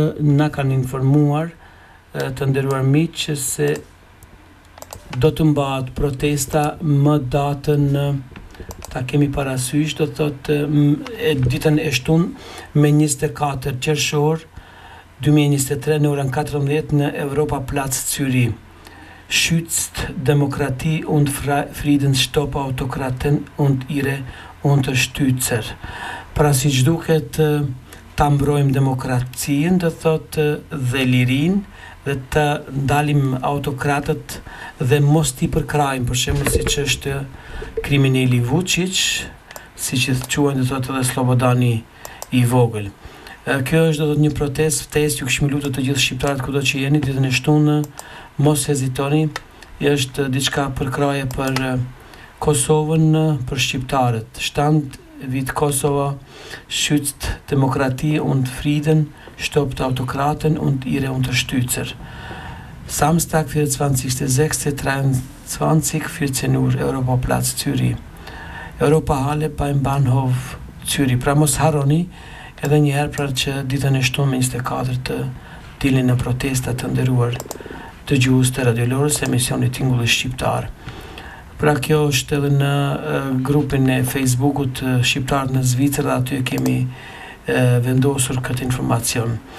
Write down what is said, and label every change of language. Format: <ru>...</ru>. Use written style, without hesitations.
<sq>Na kanë informuar të nderuar miq se do të mbahet protesta më datën, ta kemi parasysh, do thotë ditën e shtunë me 24 qershor 2023 në orën 14 në Europa Plac Zyri.</sq> <de>Schützt Demokratie und Frieden, stop Autokraten und ihre Unterstützer.</de> <sq>Pra si që duket, ta mbrojmë demokracinë, do thotë, dhe lirinë, dhe të ndalim autokratët dhe mos t'i përkrajmë, për shembull siç është kriminali Vučić, siç e quajnë do thotë edhe Slobodani i vogël. Kjo është do thotë një protestë, ftesë ju kishim lutur të gjithë shqiptarët kudo që jeni ditën e shtunë, mos hezitoni, është diçka përkraje për Kosovën, për shqiptarët.</sq> <de>Shtand vit Kosova, schützt Demokratie und Frieden, stoppt Autokraten und ihre Unterstützer. Samstag, 24.06.23, 14 Uhr, Europaplatz Zürich. Europahalle beim Bahnhof Zürich.</de> <sq>Pra mos haroni, edhe njëherë pra që ditën e shtunë 24 të dilin në protestat të nderuar të gjuhës të radiolorës, emisionit tingulli shqiptar. Pra kjo është edhe në grupin e Facebookut Shqiptarët në Zvicër, dhe aty kemi vendosur këtë informacion.</sq>